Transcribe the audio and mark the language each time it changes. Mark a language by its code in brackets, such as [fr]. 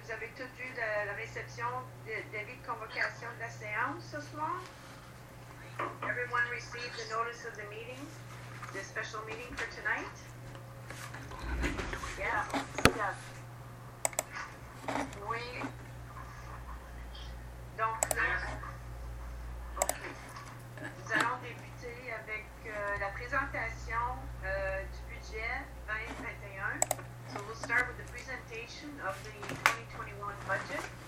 [fr] Vous avez toutes vu la réception d'avis de convocation de la séance ce soir? [en] Everyone received the notice of the meeting, the special meeting for tonight? Yeah. Yes. [fr] Oui. Donc, là, OK. Nous allons débuter avec la présentation du budget 2021. [en] So we'll start with the presentation of the 2021 budget.